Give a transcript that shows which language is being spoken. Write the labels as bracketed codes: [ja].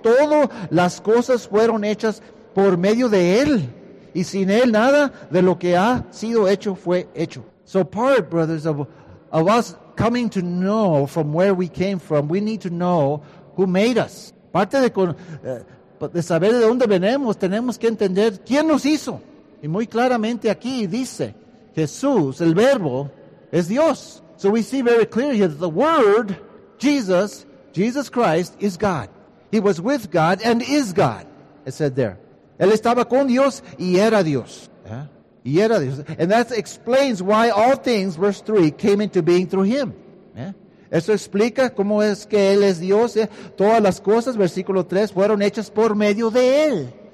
[es] Todas las cosas fueron hechas por medio de Él. Y sin Él, nada de lo que ha sido hecho fue hecho. [en] So part, brothers, of us coming to know from where we came from, we need to know who made us. [es] Parte de saber de dónde venimos, tenemos que entender quién nos hizo. Y muy claramente aquí dice, Jesús, el Verbo, es Dios. [en] So we see very clearly that the Word, Jesus Christ, is God. He was with God and is God, it said there. [es] Él estaba con Dios y era Dios. [en] Yeah. Y era Dios. And that explains why all things, verse 3, came into being through Him. Yeah. [es] Eso explica cómo es que Él es Dios. Yeah. Todas las cosas, versículo 3, fueron hechas por medio de Él.